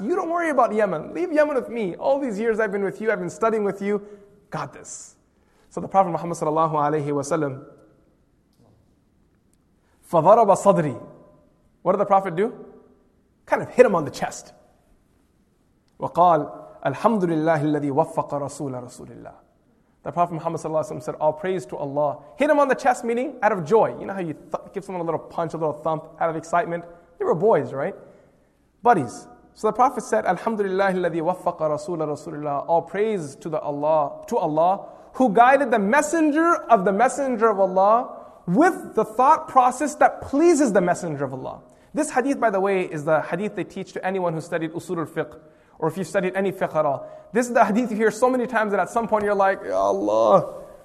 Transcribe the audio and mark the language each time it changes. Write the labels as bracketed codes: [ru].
[en] You don't worry about Yemen. Leave Yemen with me. All these years I've been with you, I've been studying with you. Got this. So the Prophet Muhammad sallallahu alayhi wa sallam, [ar] فَضَرَبَ صَدْرِي. [en] What did the Prophet do? Kind of hit him on the chest. [ar] وقال الحمد لله الذي وفق رسول رسول الله. [en] The Prophet Muhammad sallallahu alaihi wasallam said, all praise to Allah. Hit him on the chest, meaning out of joy. You know how you give someone a little punch, a little thump out of excitement? They were boys, right? Buddies. So the Prophet said, [ar] الحمد لله الذي وفق رسول رسول الله. [en] All praise to Allah who guided the messenger of the messenger of Allah with the thought process that pleases the messenger of Allah. This hadith, by the way, is the hadith they teach to anyone who studied usul al-fiqh. Or if you studied any fiqh at all. This is the hadith you hear so many times that at some point you're like, Ya Allah.